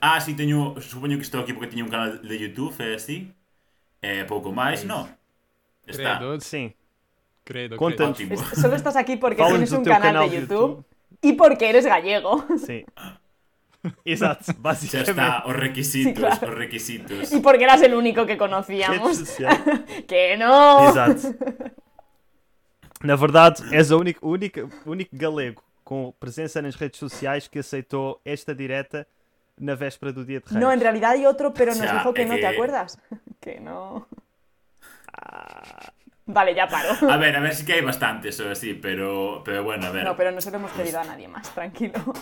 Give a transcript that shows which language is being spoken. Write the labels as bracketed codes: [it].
[gl] Ah, sí, teño, supoño que estou aquí porque teño un canal de YouTube, é así? Pouco máis, no? Está. Credo, sí. Credo, contentísimo. [es] Solo estás aquí porque tienes un canal de YouTube y porque eres gallego. Sí. Exacto, básicamente. Ya está, [gl] os requisitos, sí, claro, os requisitos. [es] Y porque eras el único que conocíamos. ¡Que no! [pt] Exacto. Na verdade, és o único galego com presença nas redes sociais, que aceitou esta direta na véspera do dia de Reis. Não, em realidade é outro, mas nos disse que não [es] te acuerdas. [pt] Que não. Vale, já paro. [es] A ver, sí que hay bastantes, o así, pero bueno, a ver. No, pero no se lo hemos pedido a nadie más, tranquilo.